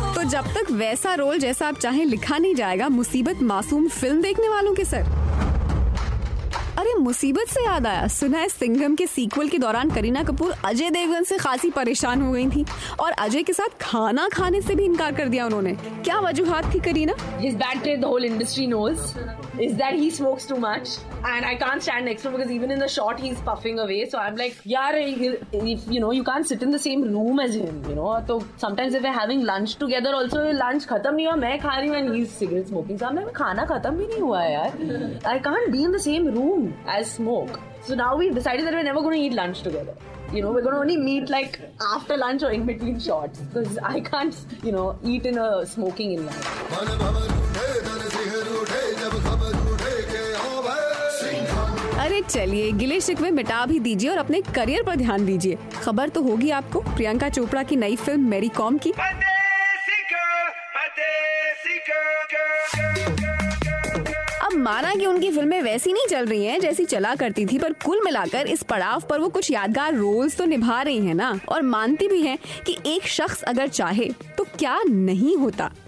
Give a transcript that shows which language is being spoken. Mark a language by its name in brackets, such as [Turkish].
[Hindi] जब तक वैसा रोल जैसा आप चाहें लिखा नहीं जाएगा, मुसीबत मासूम फिल्म देखने वालों के सर। अरे मुसीबत से याद आया, सुना है सिंघम के सीक्वल के दौरान करीना कपूर अजय देवगन से खासी परेशान हो गई थी और अजय के साथ खाना खाने से भी इनकार कर दिया उन्होंने। क्या वजूहत थी Kareena? [English] His bad trade, the whole industry knows, is that he smokes too much and I can't stand next to him because even in the shot he's puffing away. So I'm like, yaar, if you know, you can't sit in the same room as him, you know. So sometimes if we're having lunch together, also lunch [Hindi] khatam nahi hua, main kha rahi hu [English] and he's cigarette smoking. So I'm like, [Hindi] khana khatam bhi nahi hua yaar. [English] I can't be in the same room as smoke. So now we decided that we're never going to eat lunch together. You know, we're going to only meet like after lunch or in between shots because I can't, you know, eat in a smoking in line. [Hindi] अरे चलिए, गिले शिकवे मिटा भी दीजिए और अपने career पर ध्यान दीजिए। खबर तो होगी आपको प्रियंका चोपड़ा की नई फिल्म मैरी कॉम की। अब माना कि उनकी फिल्में वैसी नहीं चल रही हैं जैसी चला करती थी, पर कुल मिलाकर इस पड़ाव पर वो कुछ यादगार रोल्स तो निभा रही हैं ना, और मानती भी हैं कि एक शख्स अगर चाहे तो क्या नहीं होता।